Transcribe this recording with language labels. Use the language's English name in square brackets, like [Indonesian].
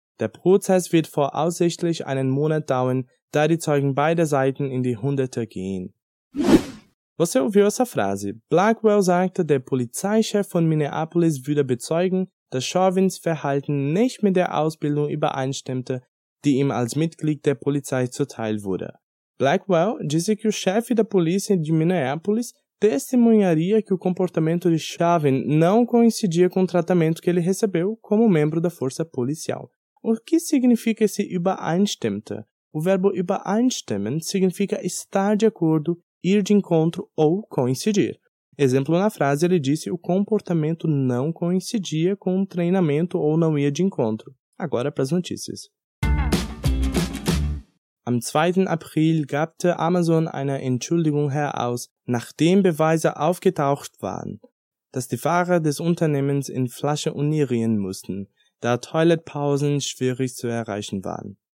[German] Der Prozess wird voraussichtlich einen Monat dauern, da die Zeugen beider Seiten in die Hunderte gehen. Was er [Portuguese] ouviu essa frase? [German] Blackwell sagte, der Polizeichef von Minneapolis würde bezeugen, dass Chauvins Verhalten nicht mit der Ausbildung übereinstimmte, die ihm als Mitglied der Polizei zuteil wurde. [Portuguese] Blackwell disse que o chefe da polícia de Minneapolis testemunharia que o comportamento de Chauvin não coincidia com o tratamento que ele recebeu como membro da força policial. O que significa esse übereinstimmte? O verbo übereinstimmen significa estar de acordo, ir de encontro ou coincidir. Exemplo na frase, ele disse o comportamento não coincidia com o treinamento ou não ia de encontro. Agora para as notícias. [German] Am 2. April gab der Amazon eine Entschuldigung heraus, nachdem Beweise aufgetaucht waren, dass die Fahrer des Unternehmens in Flasche urinieren mussten, da Toilettpausen schwierig zu erreichen waren.